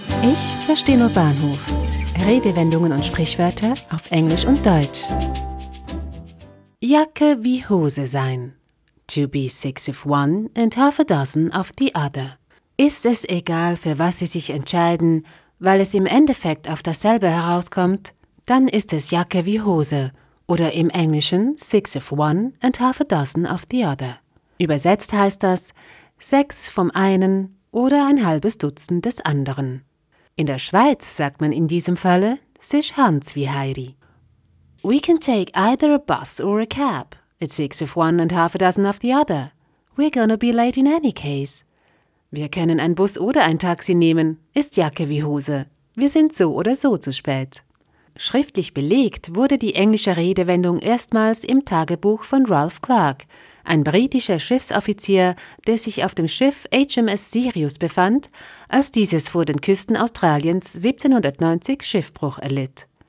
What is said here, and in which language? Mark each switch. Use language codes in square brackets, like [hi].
[de] Ich verstehe nur Bahnhof. Redewendungen und Sprichwörter auf Englisch und Deutsch. Jacke wie Hose sein. [en] To be six of one and half a dozen of the other. [de] Ist es egal, für was Sie sich entscheiden, weil es im Endeffekt auf dasselbe herauskommt, dann ist es Jacke wie Hose oder im Englischen [en] six of one and half a dozen of the other. [de] Übersetzt heißt das sechs vom einen oder ein halbes Dutzend des anderen. In der Schweiz sagt man in diesem Falle sich Hans wie Heidi. [en] We can take either a bus or a cab. It's six of one and half a dozen of the other. We're gonna be late in any case. [de] Wir können einen Bus oder ein Taxi nehmen, ist Jacke wie Hose. Wir sind so oder so zu spät. Schriftlich belegt wurde die englische Redewendung erstmals im Tagebuch von Ralph Clark, ein britischer Schiffsoffizier, der sich auf dem Schiff HMS Sirius befand, als dieses vor den Küsten Australiens 1790 Schiffbruch erlitt.